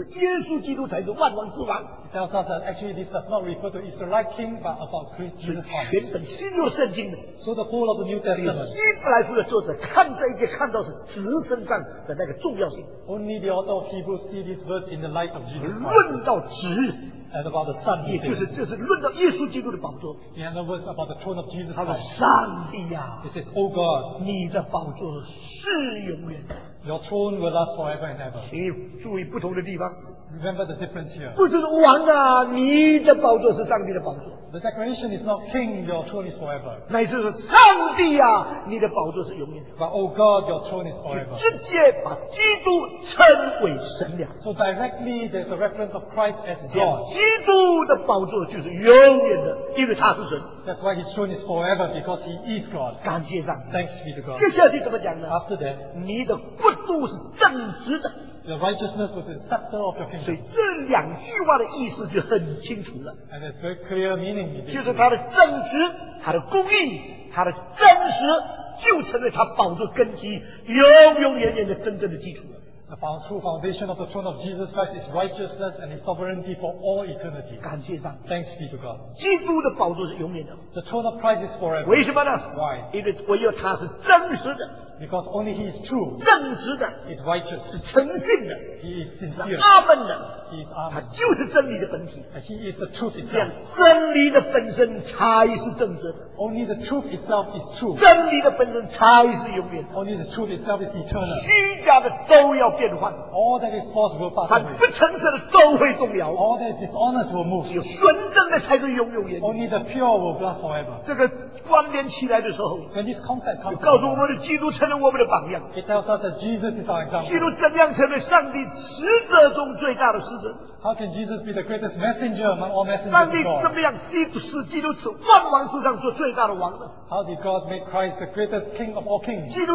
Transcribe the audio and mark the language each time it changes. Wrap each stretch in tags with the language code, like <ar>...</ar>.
<zh>他是说这一段不是指以色列王，是指耶稣基督才是万王之王。</zh> <en>It tells us that actually this does not refer to Israelite king, but about Christ Jesus Christ. So the whole of the New Testament.</en> <zh>希伯来书的作者看这一节，看到是执神杖的那个重要性。</zh> <en>Only the author of Hebrews see this verse in the light of Jesus Christ.</en> <zh>论到执。</zh> <en>And about the Son, he says. In other words, about the throne of Jesus Christ. He says, O God, your throne will last forever and ever.</en> <zh>请注意不同的地方,</zh> <en>Remember the difference here.</en> <zh>不是王啊,</zh> <en>the declaration is not king, your throne is forever.</en> <zh>乃是上帝啊,</zh> <en>but O God, your throne is forever.</en> <zh>直接把基督称为神了,</zh> <en>so directly, there's a reference of Christ as God.</en> <zh>基督的宝座就是永远的,</zh> <en>that's why his throne is forever, because he is God.</en> <zh>感谢上帝,</zh> <en>thanks be to God.</en> <zh>接下来怎么讲呢?</zh> <en>After that,</en> <zh>你的国度是正直的,</zh> <en>the righteousness with the scepter of your kingdom.</en> <zh>所以这两句话的意思就很清楚了。</zh> <en>And it's very clear meaning.</en> <zh>就是他的正直、他的公义、他的真实，就成了他宝座根基，永永远远的真正的基础了。</zh> <en>The true foundation of the throne of Jesus Christ is righteousness and his sovereignty for all eternity.</en> <zh>感谢上帝。</zh> <en>Thanks be to God.</en> <zh>基督的宝座是永远的。</zh> <en>The throne of Christ is forever.</en> <zh>为什么呢?</zh> <en>Why?</en> <zh>因为唯有他是真实的。</zh> <en>Because only he is true,</en> <zh>正直的,</zh> <en>is righteous,</en> <zh>是诚信的,</zh> <en>he is sincere,</en> <zh>是阿们的,</zh> <en>he is amen,</en> <zh>他就是真理的本体,</zh> <en>and he is the truth itself.</en> <zh>这样真理的本身才是正直的,</zh> <en>only the truth itself is true,</en> <zh>真理的本身才是永远的,</zh> <en>only the truth itself is eternal.</en> <zh>虚假的都要变换,</zh> <en>all that is false will pass away,</en> <zh>不诚实的都会动摇,</zh> <en>all that is dishonest will move,</en> <zh>只有纯正的才是永永远的,</zh> <en>only the pure will last forever.</en> <zh>这个关联起来的时候,</zh> <en>when this concept comes,</en> <zh>告诉我们的基督</zh> <en>It tells us that Jesus is our example.</en> <zh>基督怎样成为上帝使者中最大的使者?</zh> <en>How can Jesus be the greatest messenger among all messengers of God?</en> <zh>上帝怎么样,</zh> <en>How did God make Christ the greatest king of all kings?</en>